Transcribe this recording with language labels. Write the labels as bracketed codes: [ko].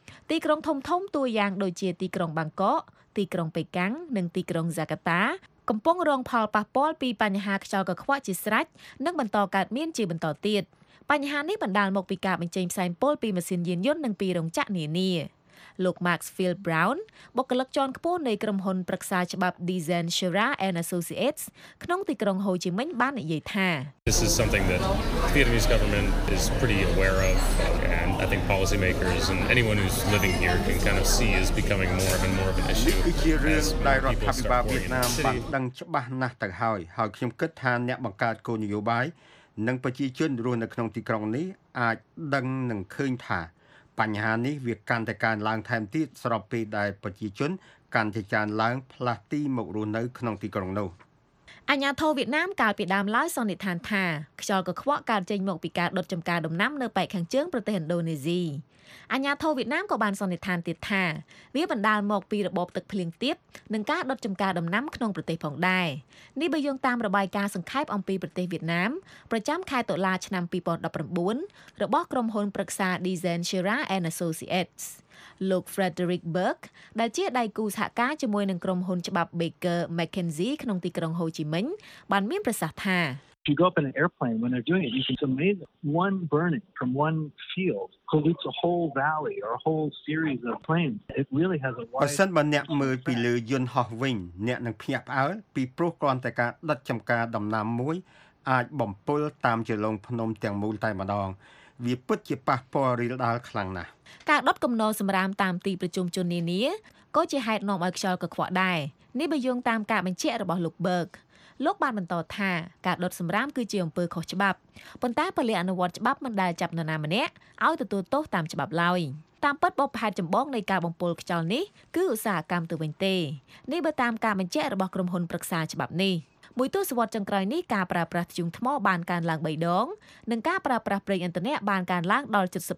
[km] ទីក្រុងធំៗតួយ៉ាងដូចជាទីក្រុងបាងកកទីក្រុងប៉េកាំងនិងទីក្រុងហ្សាកាតាកំពុងរងផលប៉ះពាល់ពីបញ្ហាខ្យល់កខ្វក់ជាស្រេចនិងបន្តកើតមានជាបន្តទៀតបញ្ហានេះបណ្ដាលមកពីការបញ្ចេញផ្សែងពុលពីម៉ាស៊ីនយានយន្តនិងពីរោងចក្រនានាលោក Max Field Brown បុគ្គលិកជាន់ខ្ពស់នៃក្រុមហ៊ុនប្រឹក្សាច្បាប់ Design Shura and Associates ក្នុងទីក្រុង Ho Chi Minh បាននិយាយថា [en] This is something that the Vietnamese government is pretty aware of and I think policymakers and anyone who's living here can kind of see is becoming more and more of an issue. [km] គឺជារឿងដែលរដ្ឋាភិបាលវៀតណាមបានដឹងច្បាស់ណាស់ទៅហើយហើយខ្ញុំគិតថាអ្នកបង្កើតគោលនយោបាយនិងប្រជាជនរស់នៅក្នុងទីក្រុងនេះអាចដឹងនិងឃើញថាបញ្ហានេះវាកាន់តែកើនឡើងថែមទៀតស្របពេលដែលប្រជាជនកាន់តែច្រើនឡើងផ្លាស់ទីមករស់នៅក្នុងទីក្រុងនោះ អាញាធរវៀតណាមកាលពីដើមឡើយសន្និដ្ឋានថាខ្យល់កខ្វក់កើតចេញមកពីការដុតចម្ការដំណាំនៅប៉ែកខាងជើងប្រទេសឥណ្ឌូនេស៊ី អាញាធរវៀតណាមក៏បានសន្និដ្ឋានទៀតថាវាបណ្ដាលមកពីរបបទឹកភ្លៀងទាបនិងការដុតចម្ការដំណាំក្នុងប្រទេសផងដែរនេះបើយោងតាមរបាយការណ៍សង្ខេបអំពីប្រទេសវៀតណាមប្រចាំខែតុលាឆ្នាំ2019របស់ក្រុមហ៊ុនប្រឹក្សា Design Shura and Associates លោក Frederick Burke ដែលជាដៃគូសហការជាមួយនឹងក្រុមហ៊ុនច្បាប់ Baker McKenzie ក្នុងទីក្រុង Ho Chi Minh បានមានប្រសាសន៍ថា [en] If you go up in an airplane when they're doing it, you can see one burning from one field pollutes a whole valley or a whole series of planes. It really has a wide. [km] បើសិនបើអ្នកមើលពីលើយន្តហោះវិញអ្នកនឹងភ្ញាក់ផ្អើលពីព្រោះគ្រាន់តែការដុតចំការដំណាំមួយអាចបំពុលតាមជាលងភ្នំទាំងមូលតែម្ដងវាពិតជាប៉ះពាល់រីលដាល់ខ្លាំងណាស់ការដុតកំណរសម្រាមតាមទីប្រជុំជននានាក៏ជាហេតុនាំឲ្យខ្យល់កខ្វក់ដែរនេះបើយោងតាមការបញ្ជាក់របស់លោកបឺកលោកបានបន្តថាការដុតសម្រាមគឺជាអំពើខុសច្បាប់ប៉ុន្តែពលិអនុវត្តច្បាប់មិនដែលចាប់នរណាម្នាក់ឲ្យទទួលទោសតាមច្បាប់ឡើយតាមពិតបបផែនចម្បងនៃការបំពុលខ្យល់នេះគឺឧស្សាហកម្មទៅវិញទេនេះបើតាមការបញ្ជាក់របស់ក្រុមហ៊ុនប្រឹក្សាច្បាប់នេះមួយទស្សវត្សចុងក្រោយនេះការប្រើប្រាស់ធ្យូងថ្មបានកើនឡើង3ដងនិងការប្រើប្រាស់ប្រេងឥន្ធនៈបានកើនឡើងដល់